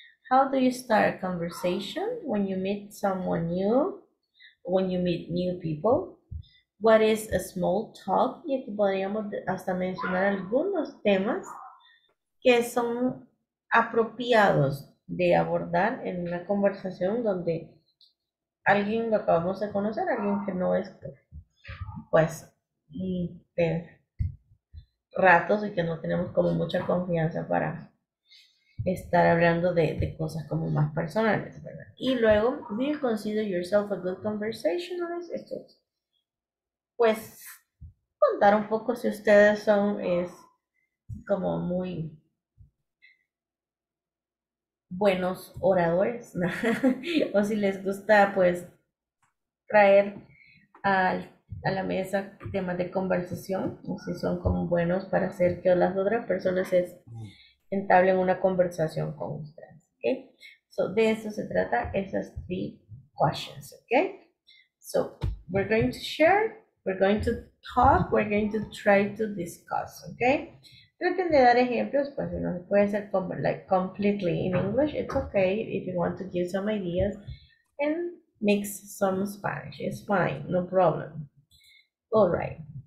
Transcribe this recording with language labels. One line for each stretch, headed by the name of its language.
English: How do you start a conversation when you meet someone new? When you meet new people? What is a small talk?
Spanish: Y aquí podríamos hasta mencionar algunos temas que son apropiados de abordar en una conversación donde alguien lo acabamos de conocer, alguien que no es, pues, de ratos y que no tenemos como mucha confianza para estar hablando de cosas como más personales, ¿verdad? Y luego,
English: do you consider yourself a good conversationalist?
Spanish: Esto es, pues, contar un poco si ustedes son, es como muy buenos oradores, ¿no? O si les gusta, pues, traer a la mesa temas de conversación, o si son como buenos para hacer que las otras personas entablen una conversación con ustedes, ¿ok? So, de eso se trata, esas
English: three questions,
Spanish: ¿ok?
English: So, we're going to share, we're going to talk, we're going to try to discuss, ¿ok?
Spanish: Traten de dar ejemplos, pues si no se puede hacer como,
English: like, completely in English, it's okay if you want to give some ideas and mix some Spanish, it's fine, no problem. All right.